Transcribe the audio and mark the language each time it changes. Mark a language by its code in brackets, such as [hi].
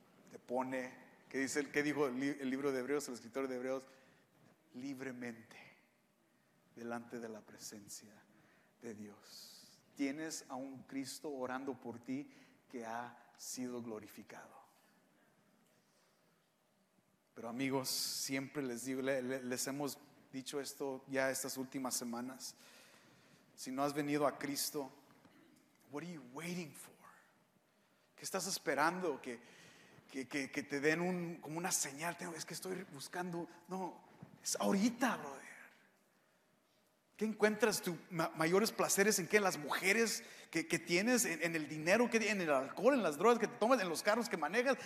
[es] Te pone, que dice, que dijo el libro de Hebreos, el escritor de Hebreos, libremente delante de la presencia de Dios. Tienes a un Cristo orando por ti que ha sido glorificado. Pero amigos, siempre les digo, les hemos dicho esto ya estas últimas semanas. Si no has venido a Cristo, [en] what are you waiting for? [es] ¿Qué estás esperando? Que te den como una señal. Es que estoy buscando. No, es ahorita, brother. ¿Qué encuentras tus mayores placeres en qué? En las mujeres que tienes, en el dinero, en el alcohol, en las drogas que te tomas, en los carros que manejas.